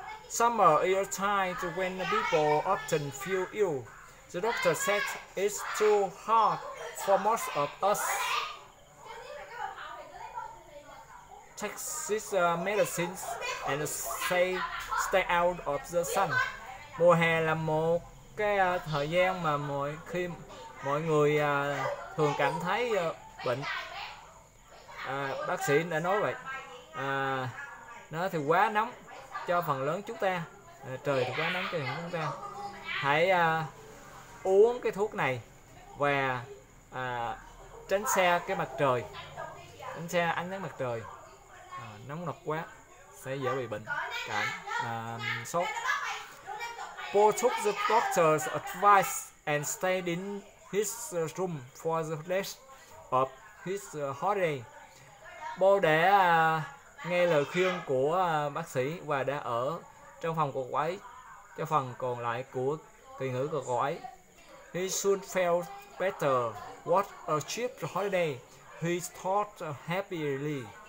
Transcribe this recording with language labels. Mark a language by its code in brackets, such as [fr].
[en] Summer is a time when people often feel ill. The doctor said it's too hot for most of us. Take this medicine and say stay out of the sun. [vi] Mùa hè là một cái thời gian mà mọi người thường cảm thấy bệnh. Bác sĩ đã nói vậy. Nó thì quá nóng cho phần lớn chúng ta. Trời thì quá nóng cho chúng ta. Hãy uống cái thuốc này và tránh xa cái mặt trời. Tránh xa ánh nắng mặt trời. Nóng nực quá sẽ dễ bị bệnh cảm sốt. [en] Paul took the doctor's advice and stayed in his room for the rest of his holiday. [vi] Paul đã nghe lời khuyên của bác sĩ và đã ở trong phòng của cậu ấy cho phần còn lại của kỳ nghỉ của cậu ấy. [en] He soon felt better. What a cheap holiday, he thought happily.